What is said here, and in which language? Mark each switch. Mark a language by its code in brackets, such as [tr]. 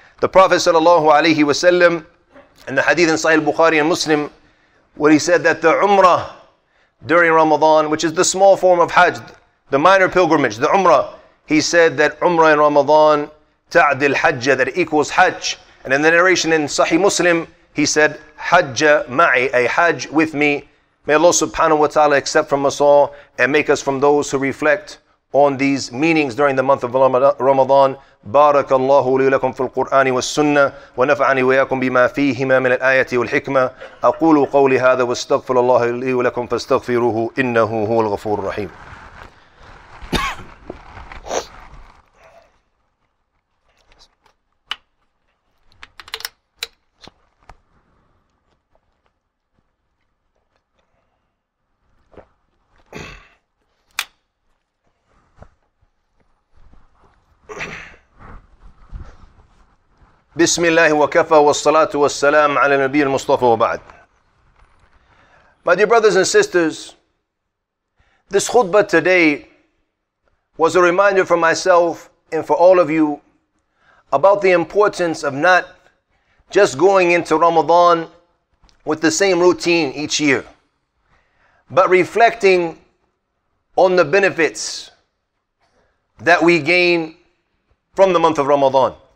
[en] The Prophet sallallahu alayhi wa sallam, in the hadith in Sahih Bukhari and Muslim, where he said that the umrah during Ramadan, which is the small form of hajj, the minor pilgrimage, the umrah, he said that umrah in Ramadan, [ar] ta'adil hajj, [en] that equals hajj. And in the narration in Sahih Muslim, he said, [ar] hajj ma'i, [en] a hajj with me. May Allah subhanahu wa ta'ala accept from us all and make us from those who reflect on these meanings during the month of Ramadan. [ar] بارك الله لي لكم في القرآن والسنة ونفعني وياكم بما فيهما من الآية والحكمة أقول قولي هذا واستغفر الله لي ولكم فاستغفروه إنه هو الغفور الرحيم. بسم الله وكفى والصلاة والسلام على النبي المصطفى وبعد. [en] My dear brothers and sisters, this khutbah today was a reminder for myself and for all of you about the importance of not just going into Ramadan with the same routine each year, but reflecting on the benefits that we gain from the month of Ramadan.